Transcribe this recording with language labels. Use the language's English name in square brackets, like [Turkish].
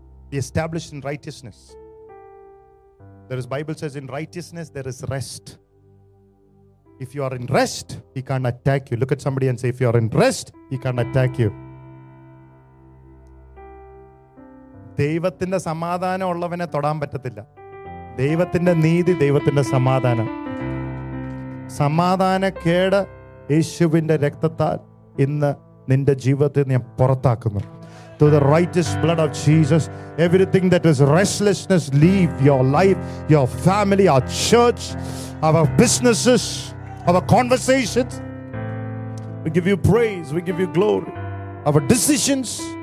[English] Be established in righteousness. There is, Bible says, in righteousness there is rest. If you are in rest, he can't attack you. Look at somebody and say, if you are in rest, he can't attack you. [Malayalam] ദൈവത്തിന്റെ സമാധാനം ഉള്ളവനെ തൊടാൻ പറ്റത്തില്ല. ദൈവത്തിന്റെ നീതി, ദൈവത്തിന്റെ സമാധാനം, സമാധാനക്കേട് യേശുവിന്റെ രക്തത്താൽ ഇന്ന് നിന്റെ ജീവിതത്തെ ഞാൻ പുറത്താക്കുന്നു. [English] To the righteous blood of Jesus, everything that is restlessness, leave your life, your family, our church, our businesses, our conversations. We give you praise, we give you glory. Our decisions.